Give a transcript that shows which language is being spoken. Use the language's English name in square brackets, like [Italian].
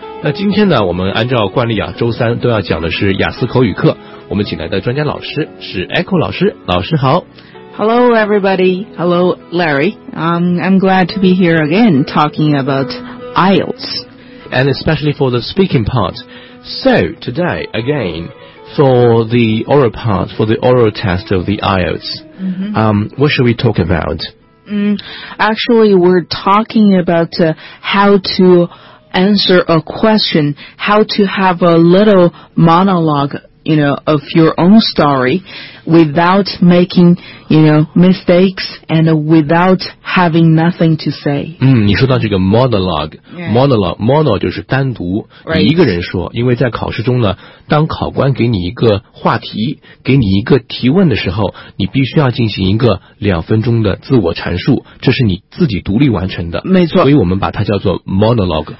[Chinese] 那今天呢，我们按照惯例啊，周三都要讲的是雅思口语课，我们请来的专家老师是 Echo 老师，老师好。 [English] Hello everybody, hello Larry, I'm glad to be here again talking about IELTS. And especially for the speaking part. So today, again, for the oral part, for the oral test of the IELTS,、mm-hmm. What should we talk about?、 Actually, we're talking about、how to answer a question, how to have a little monologue,you know, of your own story without making, you know, mistakes and without having nothing to say. [Chinese] 你说到这个 monologue,、yeah. monologue, mono 就是单独、 [English] right. [Chinese] 你一个人说，因为在考试中呢，当考官给你一个话题，给你一个提问的时候，你必须要进行一个两分钟的自我阐述，这是你自己独立完成的。没错。所以我们把它叫做 monologue,、